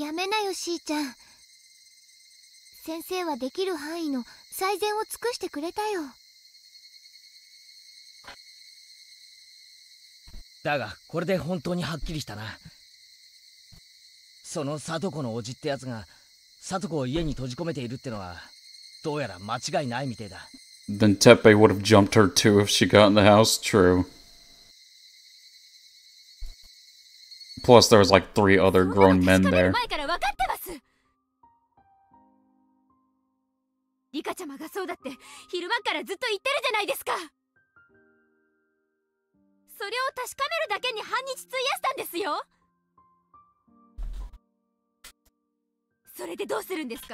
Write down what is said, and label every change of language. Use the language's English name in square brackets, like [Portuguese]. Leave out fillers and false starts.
[Japanese] やめなよしーちゃん先生はできる範囲の最善を尽くしてくれたよだが、これで本当にはっきりしたな。そのサトコの叔父ってやつが、サトコを家に閉じ込めているってのは、どうやら間違いないみてえだ。 [English] Then Tepe would have jumped her too if she got in the house, true. Plus there was like three other grown men there. [Japanese] 前から分かってます。リカちゃまがそうだって、昼間からずっと言ってるじゃないですか。それを確かめるだけに半日費やしたんですよそれでどうするんですか？